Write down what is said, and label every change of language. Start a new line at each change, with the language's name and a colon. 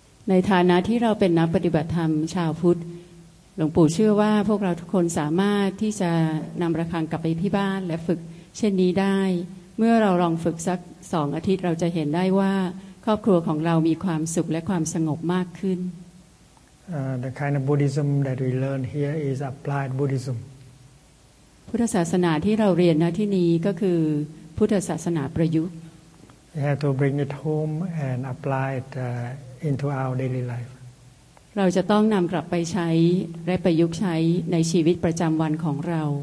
Thai: ในฐานะที่เราเป็นนักปฏิบัติธรรมชาวพุทธหลวงปู่เชื่อว่าพวกเราทุกคนสามารถที่จะนำระฆังกลับไปที่บ้านและฝึกเช่นนี้ได้เมื่อเราลองฝึกสัก2 อาทิตย์เราจะเห็นได้ว่าครอบครัวของเรามีความสุขและความสงบมากขึ้น
English: The kind of Buddhism that we learn here is applied Buddhism
Thai: พุทธศาสนาที่เราเรียนณที่นี้ก็คือพุทธศาสนาประยุกต์
English: We have to bring it home and apply it into our daily life
Thai: เราจะต้องนำกลับไปใช้และประยุกต์ใช้ในชีวิตประจำวันของเรา